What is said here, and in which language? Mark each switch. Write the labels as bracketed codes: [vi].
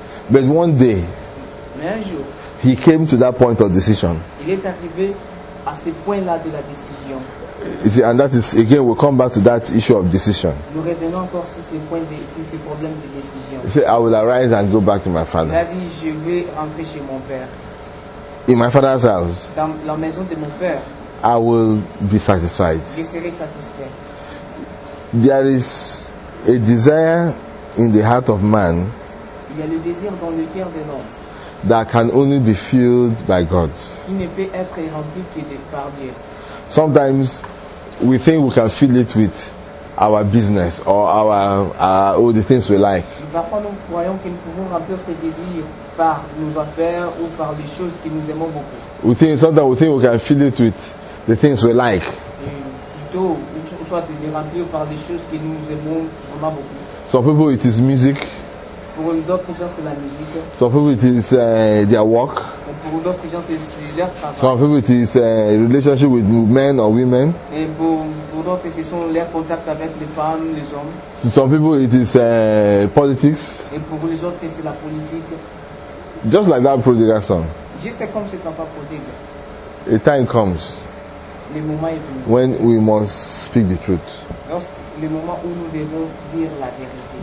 [en] But one day, He came to that point of decision. [fr] Il est arrivé à ce point-là de la décision. [en] You see, and that is, again, we'll come back to that issue of decision. [fr] Nous revenons encore sur ce point de, sur ce problème de décision. [en] You see, I will arise and go back to my father. [fr] Il a dit, je vais rentrer chez mon père. [en] In my father's house. [fr] Dans la maison de mon père. [en] I will be satisfied. [fr] Je serai satisfait. [en] There is a desire in the heart of man. [fr] Il y a le désir dans le cœur de l'homme. [en] That can only be filled by God. [fr] Qui ne peut être rempli que de par Dieu. [en] Sometimes we think we can fill it with our business or our all the things we like. [fr] Parfois nous croyons que nous pouvons remplir ces désirs par nos affaires ou par les choses que nous aimons beaucoup. [en] We think sometimes we think we can fill it with the things we like. [fr] Plutôt, soit de remplir par des choses que nous aimons vraiment beaucoup. [en] Some people it is music. [fr] Pour d'autres gens c'est la musique. [en] Some people it is their work. [fr] Pour d'autres gens, c'est leur travail. [en] Some people it is a relationship with men or women. [fr] Et pour d'autres, ce sont leurs contacts avec les femmes, les hommes. [en] So some people it is politics. [fr] Et pour les autres, c'est la politique. [en] Just like that prodigal son. [fr] Juste comme cet enfant prodigue. [en] A time comes. [fr] Le moment est venu. [en] When we must speak the truth. [fr] Lorsque le moment où nous devons dire la vérité.